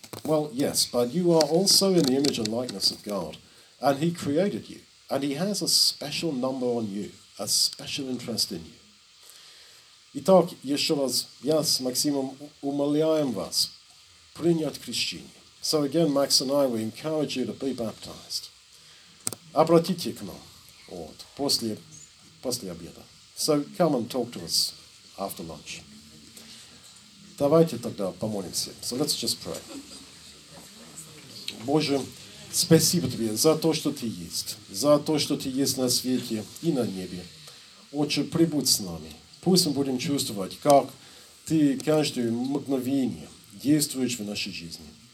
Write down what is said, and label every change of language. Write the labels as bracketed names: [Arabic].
[English] Well, yes, but you are also in the image and likeness of God, and He created you, and He has a special number on you, a special interest in you. [Russian] Итак, еще раз, yes, Максим, умоляем вас принять крещение. [English] So again, Max and I, we encourage you to be baptized. [Russian] Обратите к нам вот, после обеда. [English] So come and talk to us after lunch. [Russian] Давайте тогда помолимся. [English] So let's just pray. [Russian] Боже, спасибо Тебе за то, что Ты есть, за то, что Ты есть на свете и на небе. Отче, прибудь с нами. Пусть мы будем чувствовать, как Ты каждое мгновение действуешь в нашей жизни.